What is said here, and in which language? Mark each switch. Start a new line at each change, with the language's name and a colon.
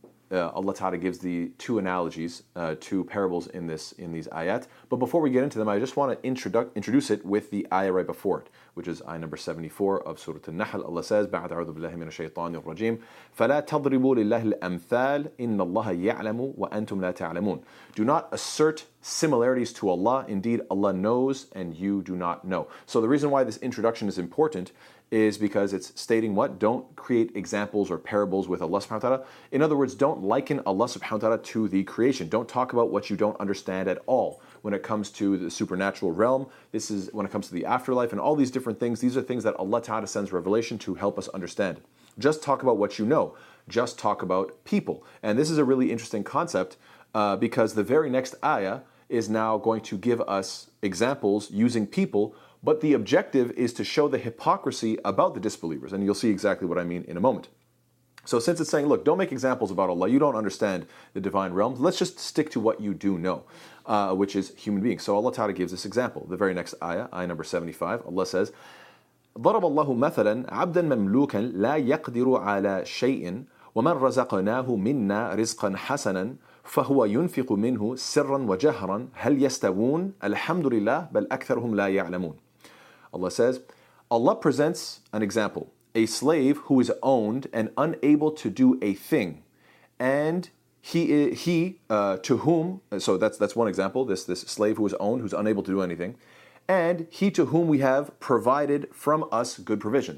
English: Allah ta'ala gives the two analogies, two parables in these ayat. But before we get into them, I just want to introduce it with the ayah right before it, which is ayah number 74 of Surat Al-Nahl. Allah says,
Arabic: بَعَدْ عَرْضُ بِاللَّهِ مِنَ الشَّيْطَانِ الرَّجِيمِ فَلَا تَضْرِبُوا لِلَّهِ الْأَمْثَالِ إِنَّ اللَّهَ يَعْلَمُ وَأَنْتُمْ لَا تَعْلَمُونَ.
English: Do not assert similarities to Allah. Indeed, Allah knows and you do not know. So the reason why this introduction is important is because it's stating what? Don't create examples or parables with Allah subhanahu wa ta'ala. In other words, don't liken Allah subhanahu wa ta'ala to the creation. Don't talk about what you don't understand at all when it comes to the supernatural realm. This is when it comes to the afterlife and all these different things. These are things that Allah ta'ala sends revelation to help us understand. Just talk about what you know. Just talk about people. And this is a really interesting concept because the very next ayah is now going to give us examples using people. But the objective is to show the hypocrisy about the disbelievers. And you'll see exactly what I mean in a moment. So since it's saying, look, don't make examples about Allah. You don't understand the divine realms. Let's just stick to what you do know, which is human beings. So Allah Ta'ala gives this example. The very next ayah, ayah number 75, Allah says,
Arabic: ضَرَبَ اللَّهُ مَثَلًا عَبْدًا مَمْلُوكًا لَا يَقْدِرُ عَلَى شَيْءٍ وَمَنْ رَزَقْنَاهُ مِنَّا رِزْقًا حَسَنًا فَهُوَ يُنْفِقُ مِنْهُ سِرًّا وَجَهْرًا هَلْ يَسْتَوُونَ الْحَمْدُ لِلَّهِ بَلْ أَكْثَرُهُمْ لَا يَعْلَمُونَ.
English: Allah says, Allah presents an example, a slave who is owned and unable to do a thing, and he to whom, so that's one example, this slave who is owned, who's unable to do anything, and he to whom we have provided from us good provision.